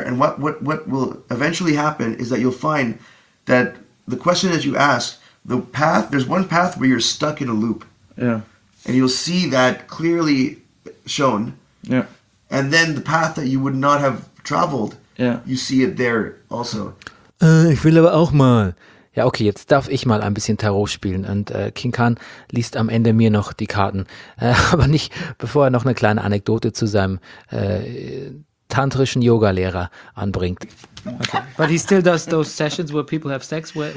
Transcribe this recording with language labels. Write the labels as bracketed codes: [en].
[en] And what will eventually happen is that you'll find that the question that you ask, the path, there's one path where you're stuck in a loop. Yeah. And you'll see that clearly shown. Yeah. And then the path that you would not have traveled, you see it there also. [de] Ich will aber auch mal... Ja, okay, jetzt darf ich mal ein bisschen Tarot spielen und King Khan liest am Ende mir noch die Karten, aber nicht bevor er noch eine kleine Anekdote zu seinem tantrischen Yoga-Lehrer anbringt. Okay. [en] But he still does those sessions where people have sex?